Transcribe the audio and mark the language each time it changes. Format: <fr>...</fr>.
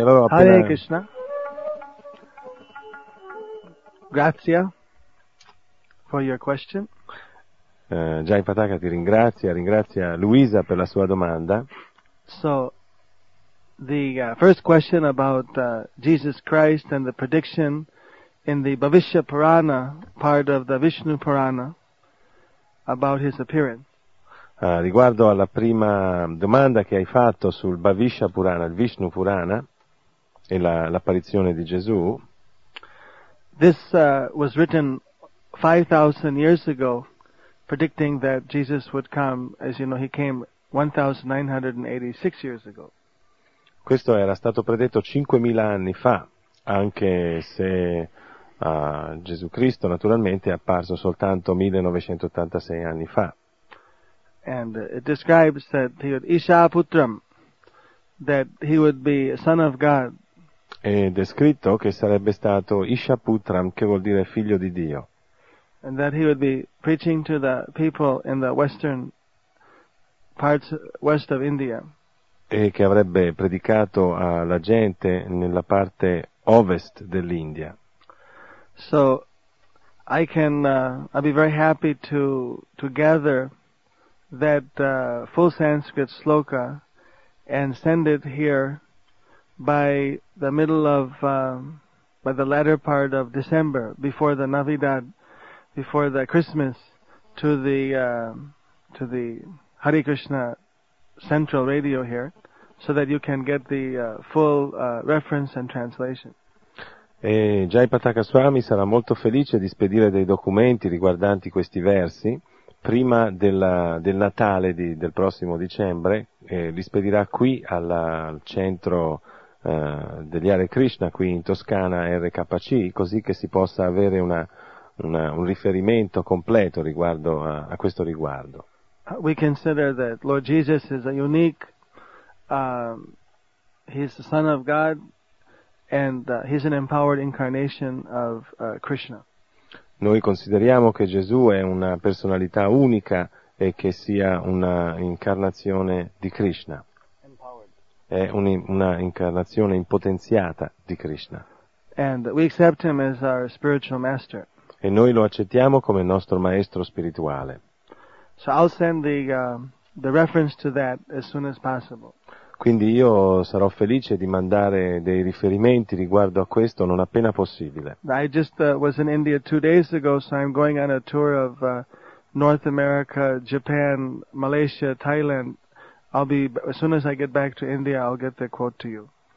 <en>Hare Krishna, grazie for your question.</en> <it>Jai Pataka ti ringrazia Luisa per la sua domanda.</it> <en>So, the first question about Jesus Christ and the prediction in the Bhavishya Purana, part of the Vishnu Purana, about his appearance.</en> <it>Riguardo alla prima domanda che hai fatto sul Bhavishya Purana, il Vishnu Purana, e l'apparizione di Gesù.</it> <en>This was written 5,000 years ago, predicting that Jesus would come, as you know, he came 1,986 years ago.</en> <it>Questo era stato predetto 5,000 anni fa, anche se Gesù Cristo naturalmente è apparso soltanto 1,986 anni fa.</it> <en>And it describes that he would Isha Putram, that he would be a son of God.</en> <it>Ed è scritto che sarebbe stato Ishaputram, che vuol dire figlio di Dio.</it> <en>And that he would be preaching to the people in the western parts, west of India.</en> <it>E che avrebbe predicato alla gente nella parte ovest dell'India.</it> <en>So, I can, I'll be very happy to gather that full Sanskrit sloka and send it here by the middle of by the latter part of December, before the Navidad, before the Christmas, to the Hare Krishna Central Radio here, so that you can get the full reference and translation.</en> <it>E Jai Pataka Swami sarà molto felice di spedire dei documenti riguardanti questi versi prima del Natale del prossimo dicembre, li spedirà qui al centro degli Hare Krishna qui in Toscana RKC, così che si possa avere un riferimento completo riguardo a questo riguardo.</it> <en>We consider that Lord Jesus is a unique he's the son of God and he's an empowered incarnation of Krishna.</en> <it>Noi consideriamo che Gesù è una personalità unica e che sia una incarnazione di Krishna. È una incarnazione impotenziata di Krishna.</it> <en>And we accept him as our spiritual master.</en> <it>E noi lo accettiamo come nostro maestro spirituale.</it> <en>So I'll send the reference to that as soon as possible.</en> <it>Quindi io sarò felice di mandare dei riferimenti riguardo a questo non appena possibile.</it> <en>I just was in India 2 days ago, so I'm going on a tour of North America, Japan, Malaysia, Thailand. I'll be, as soon as I get back to India, I'll get the quote to you.</en>